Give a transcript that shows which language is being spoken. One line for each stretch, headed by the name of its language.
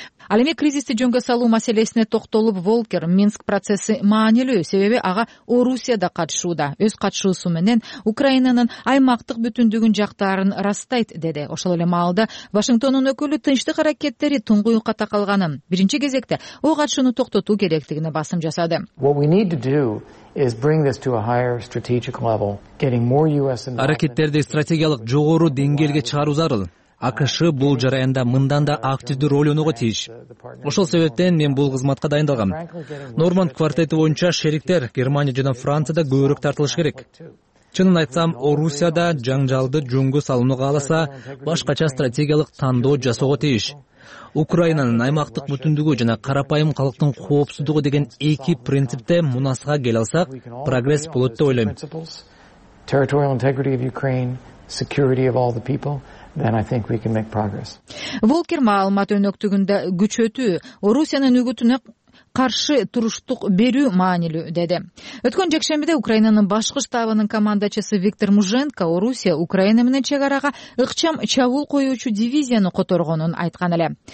Kyrgyz: Ал эми кризисти жөнгө салуу маселесине токтолуп, Волкер Минск процесси маанилүү, себеби ага Орусия да катышууда. Өз катышуусу менен Украинанын аймактык бүтүндүгүн жактарын растайт деди. Ошол эле маалда Вашингтондун өкүлү тынчтык аракеттери туңгуюкка такалганын, биринчи кезекте оо катышууну токтотуу керектигине басым жасады.
English: Is bring this to a higher strategic level, getting more US involved.
Kyrgyz: Аракеттерди стратегиялык жогору деңгээлге чыгаруу зарыл. АКШ бул жараянда мындан да активдүү роль ойногу тийиш. Ошол себептен мен бул кызматка дайындалгам. Норманд квартети боюнча шериктер Германия жана Францияда көбүрөөк тартылыш керек. Чынын айтсам, Орусияда жаңжалды жөнгө салууну кааласа, башкача стратегиялык тандоо жасоого тийиш. Украинанын аймактык бүтүндүгү жана карапайым калктын коопсуздугу деген эки принципте мунасага келе алсак, прогресс болот деп ойлойм.
English: Territorial integrity of Ukraine, security of all the people. Then I think we can make progress.
Kyrgyz: Волкер маалымат өнөктүгүндө күчөтүү, Орусиянын үгүтүнө каршы туруштук берүү маанилүү деди. Өткөн жекшембиде Украинанын башкы штабынын командачысы Виктор Муженко Орусия Украина менен чек арага ыкчам чабуул коюучу дивизияны которгонун айткан эле.